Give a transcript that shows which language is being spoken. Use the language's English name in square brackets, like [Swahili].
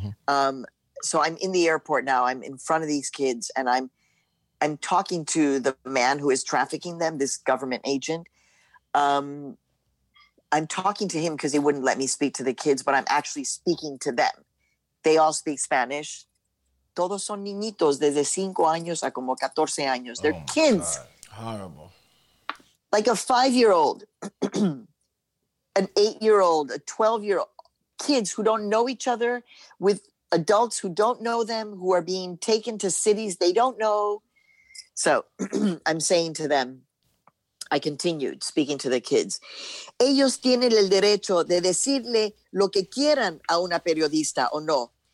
[English] So I'm in the airport now, I'm in front of these kids, and I'm talking to the man who is trafficking them, this government agent. I'm talking to him because he wouldn't let me speak to the kids, but I'm actually speaking to them. They all speak Spanish. [Spanish] Todos son niñitos desde 5 años a como 14 años. [English] They're kids. Horrible. Like a 5-year-old, an 8-year-old, a 12-year-old, kids who don't know each other, with adults who don't know them, who are being taken to cities they don't know. So I'm saying to them, I continued speaking to the kids. [Spanish] Ellos tienen el derecho de decirle lo que quieran a una periodista o no.